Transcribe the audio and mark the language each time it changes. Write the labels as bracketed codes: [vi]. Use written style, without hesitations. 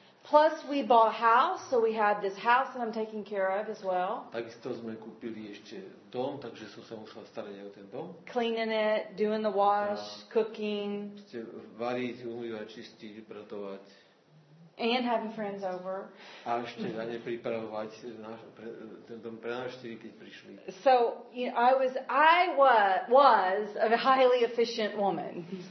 [en] Plus we bought a house, so we had this house that I'm taking care of as well. [sk] Takisto sme kúpili ešte dom, takže som sa musela starať aj o ten dom. [en] Cleaning it, doing the wash, cooking. [sk] Variť, umývať, čistiť, upratovať. [en] And having friends over. [sk] A ešte za ne pripravovať ten dom pre návštevy, keď prišli. [en] So, you know, I was a highly efficient woman.